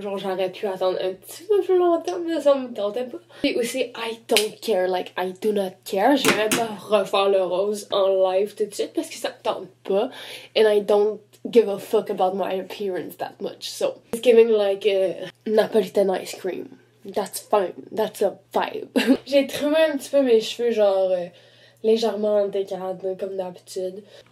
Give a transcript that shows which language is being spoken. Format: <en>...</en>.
<fr>Genre j'aurais pu attendre un petit peu plus longtemps, mais ça me tentait pas. Et aussi,</fr> <en>I don't care, like I do not care.</en> <fr>Je vais pas refaire le rose en live tout de suite parce que ça me tente pas.</fr> <en>And I don't give a fuck about my appearance that much. So it's giving like a Napolitan ice cream. That's fine. That's a vibe.</en> <fr>J'ai trimé un petit peu mes cheveux genre... légèrement en décalade comme d'habitude.</fr>